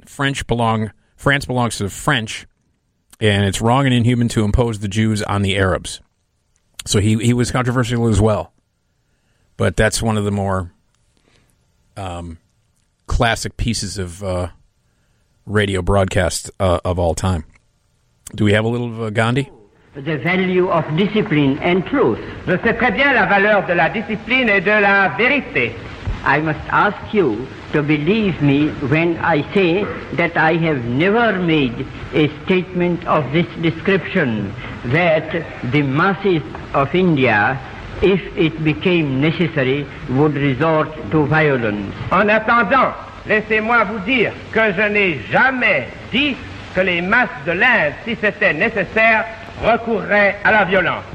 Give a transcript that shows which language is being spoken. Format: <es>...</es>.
<en>France belongs to the French, and it's wrong and inhuman to impose the Jews on the Arabs. So he was controversial as well. But that's one of the more classic pieces of radio broadcast of all time. Do we have a little of Gandhi? The value of discipline and truth.</en> <fr>Je sais très bien la valeur de la discipline et de la vérité.</fr> <en>I must ask you to believe me when I say that I have never made a statement of this description, that the masses of India, if it became necessary, would resort to violence.</en> <fr>En attendant, laissez-moi vous dire que je n'ai jamais dit que les masses de l'Inde, si c'était nécessaire, recourraient à la violence.</fr>